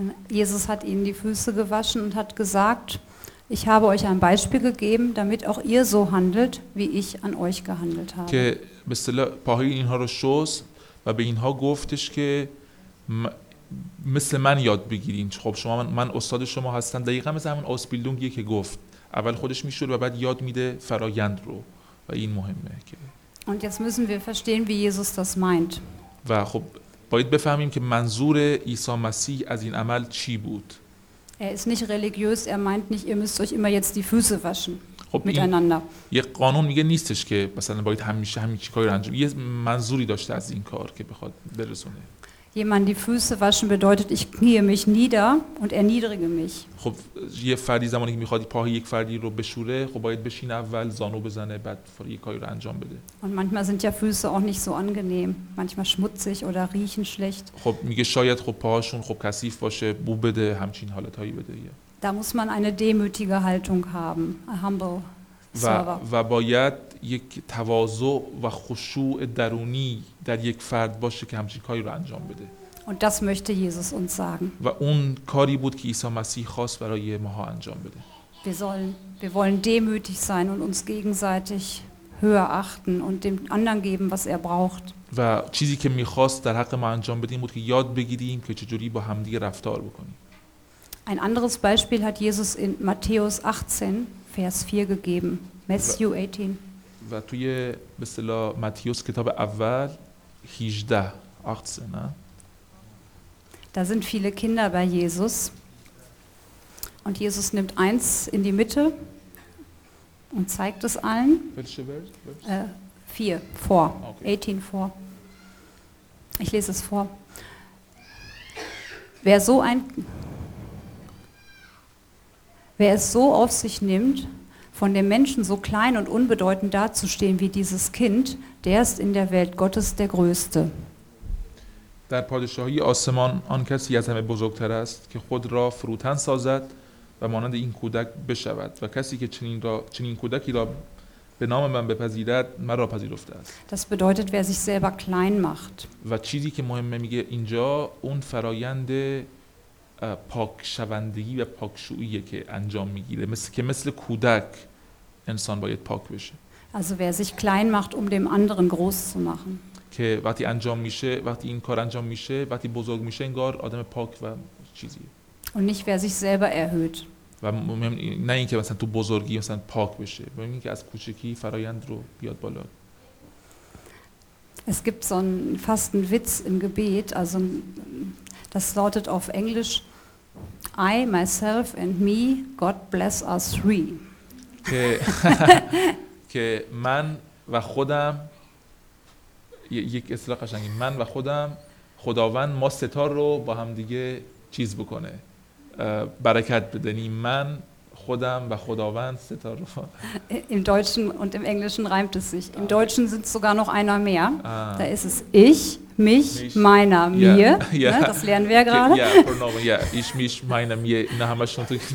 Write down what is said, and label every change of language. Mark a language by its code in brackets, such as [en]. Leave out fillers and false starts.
[de] Jesus hat ihnen die Füße gewaschen und hat gesagt: Ich habe euch ein Beispiel gegeben, damit auch ihr so handelt, wie ich an euch gehandelt habe. [fa] که به اصطلاح پاهای اینها رو شست و به اینها گفتش که مثل من یاد بگیرین. خب شما من استاد شما هستم. دقیقاً مثل همون آسپیلدونگی که گفت، اول خودش میشوره و بعد یاد میده فرایند رو و این مهمه که. [de] Und jetzt müssen wir verstehen, wie Jesus das meint. [fa] و خب باید بفهمیم که منظور عیسی مسیح از این عمل چی بود. [de] Er ist nicht religiös, er meint nicht, ihr müsst euch immer jetzt die Füße waschen miteinander. [fa] یه قانون میگه نیستش که مثلا باید همیشه همین چیکار رو انجام. یه منظوری داشته از این کار که بخواد برسونه. [de] Jemand die Füße waschen bedeutet, ich knie mich nieder und erniedrige mich. [fa] خب یه فردی زمانی که میخواد پای یک فردی رو بشوره، خب باید بشینه اول زانو بزنه بعد یه کاری رو انجام بده. [de] Und manchmal sind ja Füße auch nicht so angenehm, manchmal schmutzig oder riechen schlecht. [fa] خب میگه شاید خب پاهاشون خب کثیف باشه، بو بده، همچین حالتایی بده. [de] Da muss man eine demütige Haltung haben, [en] a humble server. [fa] و باید یک تواضع و خشوع درونی در یک فرد باشه که همچین کاری رو انجام بده. [de] Und das möchte Jesus uns sagen. [fa] و اون کاری بود که عیسی مسیح خواست برای ماها انجام بده. [de] Wir wollen demütig sein und uns gegenseitig höher achten und dem anderen geben, was er braucht. [fa] و چیزی که می‌خواست در حق ما انجام بده این بود که یاد بگیریم که چجوری با همدیگه رفتار بکنیم. [de] Ein anderes Beispiel hat Jesus in Matthäus 18 Vers 4 gegeben. [en] Matthew 18. [fa] و توی به اصطلاح متیوس کتاب اول 18 نه؟ [de] Da sind viele Kinder bei Jesus. Und Jesus nimmt eins in die Mitte. Und zeigt es allen. Welche Welt? 4, 4. Okay. 18, 4. Ich lese es vor. Wer es so auf sich nimmt, von dem Menschen so klein und unbedeutend dazustehen wie dieses Kind, der ist in der Welt Gottes der Größte. [fa] در پادشاهی آسمان آن کسی از همه بزرگتر است که خود را فروتن سازد و مانند این کودک بشود و کسی که چنین کودکی را به نام من بپذیرد من را پذیرفته است. [de] Das bedeutet, wer sich selber klein macht. [fa] و چیزی که مهمه میگه اینجا اون فرایند پاک شوندگی و پاکشوییه که انجام میگیره مثل کودک انسان باید پاک بشه. [de] Also wer sich klein macht, um dem anderen groß zu machen. [fa] که وقتی انجام میشه وقتی این کار انجام میشه وقتی بزرگ میشه انگار آدم پاک و چیزی [de] und nicht wer sich selber erhöht [fa] و نه اینکه مثلا تو بزرگی مثلا پاک بشه مهم اینکه از کوچکی فرایند رو بیاد بالا. [de] Es gibt so ein fast ein Witz im Gebet, also das lautet auf Englisch [en] I myself and me God bless us three. [fa] که من و خودم یک اصطلاح قشنگی من و خودم خداوند ما ستا رو با هم دیگه چیز بکنه برکت بدنی من خودم و خداوند ستا رو [de] im deutschen und im englischen reimt es sich im deutschen sind sogar noch einer mehr da ist es ich mich meiner mir ne das lernen wir gerade ja pronomen ja ich mich meiner mir na haben wir schon